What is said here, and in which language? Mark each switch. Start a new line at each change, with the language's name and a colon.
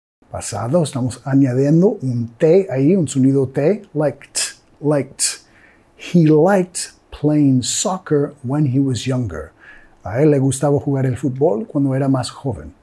Spanish: Pasado, estamos añadiendo un T ahí, un sonido T.
English: Liked. He liked playing soccer when he was younger.
Spanish: A él le gustaba jugar el fútbol cuando era más joven.